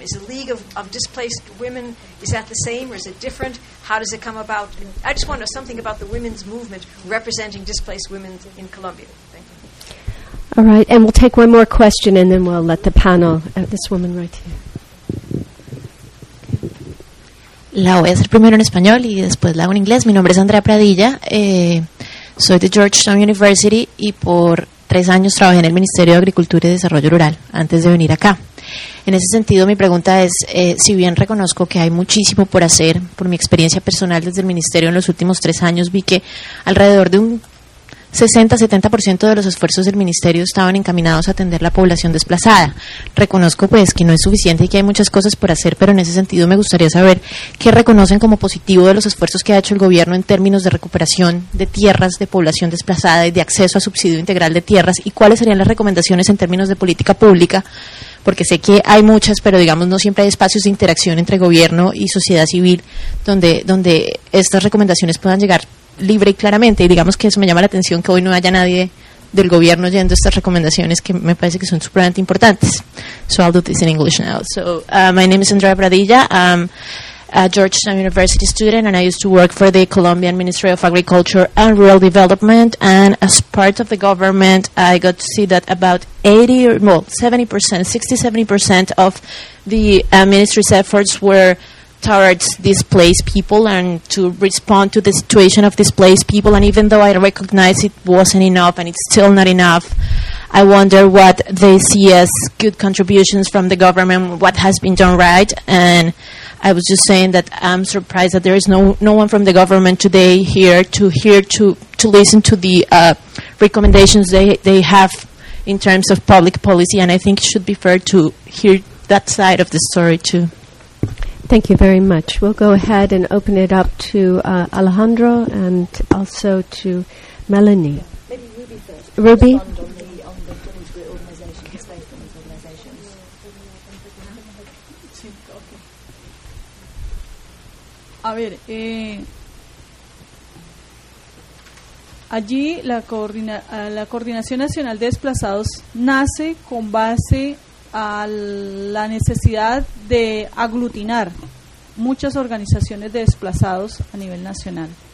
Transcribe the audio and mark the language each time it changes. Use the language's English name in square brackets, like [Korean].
[English] Is the League of Displaced Women, is that the same or is it different? How does it come about? I just want to know something about the women's movement representing displaced women in Colombia. All right, and we'll take one more question and then we'll let the panel, this woman right here. [Spanish] La voy a hacer primero en español y después la hago en inglés. Mi nombre es Andrea Pradilla, soy de Georgetown University y por 3 años trabajé en el Ministerio de Agricultura y Desarrollo Rural antes de venir acá. En ese sentido, mi pregunta es, si bien reconozco que hay muchísimo por hacer, por mi experiencia personal desde el Ministerio en los últimos 3 años, vi que alrededor de un 60-70% de los esfuerzos del Ministerio estaban encaminados a atender la población desplazada. Reconozco pues que no es suficiente y que hay muchas cosas por hacer, pero en ese sentido me gustaría saber qué reconocen como positivo de los esfuerzos que ha hecho el gobierno en términos de recuperación de tierras, de población desplazada y de acceso a subsidio integral de tierras, y cuáles serían las recomendaciones en términos de política pública, porque sé que hay muchas, pero digamos no siempre hay espacios de interacción entre gobierno y sociedad civil donde estas recomendaciones puedan llegar libre y claramente, y digamos que eso me llama la atención que hoy no haya nadie del gobierno oyendo estas recomendaciones que me parece que son supremamente importantes. [English] So I'll do this in English now. So my name is Andrea Pradilla. I'm a Georgetown University student and I used to work for the Colombian Ministry of Agriculture and Rural Development, and as part of the government I got to see that about 60-70% of the ministry's efforts were towards displaced people and to respond to the situation of displaced people, and even though I recognize it wasn't enough and it's still not enough, I wonder what they see as good contributions from the government, what has been done right. And I was just saying that I'm surprised that there is no one from the government today here to listen to the recommendations they have in terms of public policy, and I think it should be fair to hear that side of the story too. Thank you very much. We'll go ahead and open it up to Alejandro and also to Melanie. Maybe Ruby first. [Spanish] Ruby? A ver, allí la Coordinación Nacional de Desplazados nace con base a la necesidad de aglutinar muchas organizaciones de desplazados a nivel nacional.